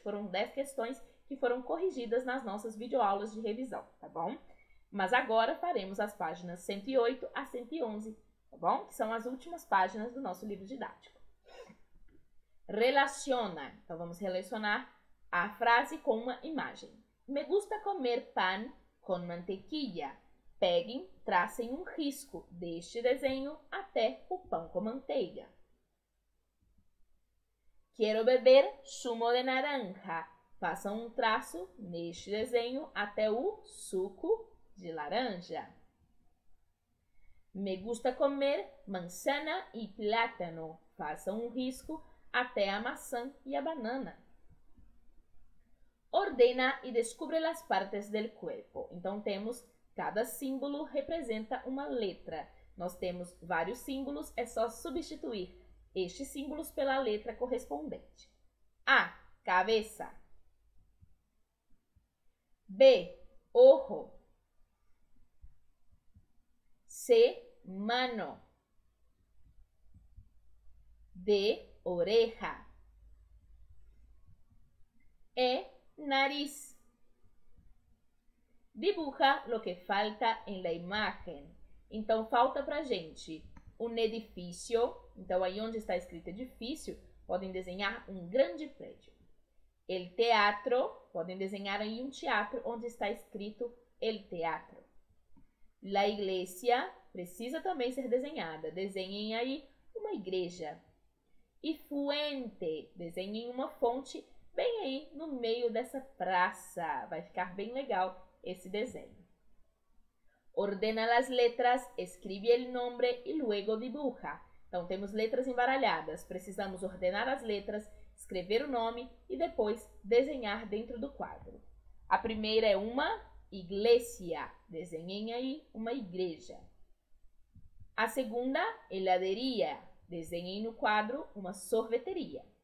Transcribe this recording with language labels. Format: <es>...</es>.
<pt>Foram 10 questões que foram corrigidas nas nossas videoaulas de revisão, tá bom? Mas agora faremos as páginas 108 a 111, tá bom? Que são as últimas páginas do nosso livro didático. Relaciona. Então vamos relacionar a frase com uma imagem.</pt> <es>Me gusta comer pan con mantequilla.</es> <pt>Peguem, tracem um risco deste desenho até o pão com manteiga. Quero beber</pt> <es>zumo de naranja.</es> <pt>Façam um traço neste desenho até o suco de laranja.</pt> <es>Me gusta comer manzana y plátano.</es> <pt>Façam um risco até a maçã e a banana. Ordena e descubre as</pt> <es>partes del cuerpo.</es> <pt>Então temos cada símbolo representa uma letra. Nós temos vários símbolos, é só substituir estes símbolos pela letra correspondente. A, cabeça.</pt> <es>B, ojo. C, mano. D, oreja. E, nariz. Dibuja lo que falta en la imagen.</es> <pt>Então, falta para a gente um edifício. Então, aí onde está escrito edifício, podem desenhar um grande prédio. El teatro, podem desenhar aí um teatro onde está escrito el teatro. La iglesia precisa também ser desenhada. Desenhem aí uma igreja. E fuente, desenhem uma fonte bem aí no meio dessa praça. Vai ficar bem legal esse desenho.</pt> <es>Ordena las letras, escribe el nombre y luego dibuja.</es> <pt>Então, temos letras embaralhadas. Precisamos ordenar as letras, escrever o nome e depois desenhar dentro do quadro. A primeira é uma iglesia. Desenhem aí uma igreja. A segunda, heladeria. Desenhem no quadro uma sorveteria.</pt>